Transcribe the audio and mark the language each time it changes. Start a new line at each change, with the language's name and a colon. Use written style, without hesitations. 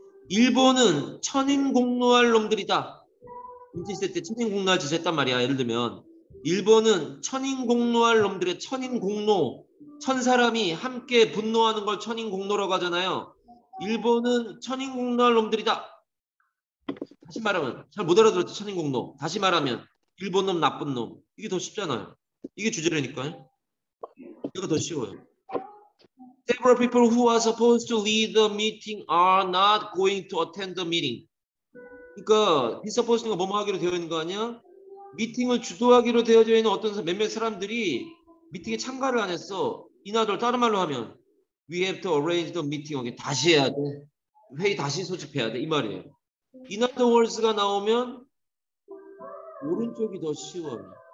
Korean: 일본은 천인공노할 놈들이다. 일제시대 때 천인공노할 짓을 했단 말이야. 예를 들면 일본은 천인공노할 놈들의 천인공노 천 사람이 함께 분노하는 걸 천인공노라고 하잖아요. 일본은 천인공노할 놈들이다. 다시 말하면 잘 못 알아들었죠. 천인공노. 다시 말하면 일본 놈 나쁜 놈. 이게 더 쉽잖아요. 이게 주제라니까요. 이거 더 쉬워요.
English: Several people who are supposed to lead the meeting are not going to attend the meeting.
Korean: 그러니까
English: he's supposed
Korean: 가 뭐뭐 하기로 되어 있는 거 아니야? 미팅을 주도하기로 되어져 있는 어떤 몇몇 사람들이 미팅에 참가를 안 했어. 이나들 다른 말로 하면
English: we have to arrange the meeting again.
Korean: 다시 해야 돼. 회의 다시 소집해야 돼. 이 말이에요.
English: In other words
Korean: 가 나오면 오른쪽이 더 쉬워요.